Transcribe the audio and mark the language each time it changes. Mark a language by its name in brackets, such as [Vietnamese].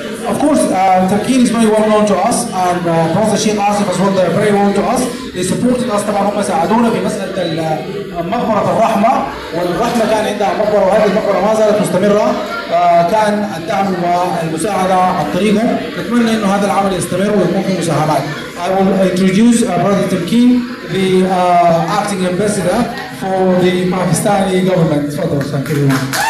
[English] Of course, Turkey is very well known to us, and Professor Sheikh Asif as well, they are very well to us. They supported us, [Arabic] طبعاً هم ساعدونا في مسألة مقبرة الرحمة، والرحمة كان عندها مقبرة وهذه المقبرة ما زالت مستمرة. كان الدعم والمساعدة على الطريقة. نتمنى أن هذا العمل يستمر ويكون في مساهمات. [English] I will introduce Brother Turkin, the acting ambassador for the Pakistani government. [Arabic] تفضل، [English] thank you very much.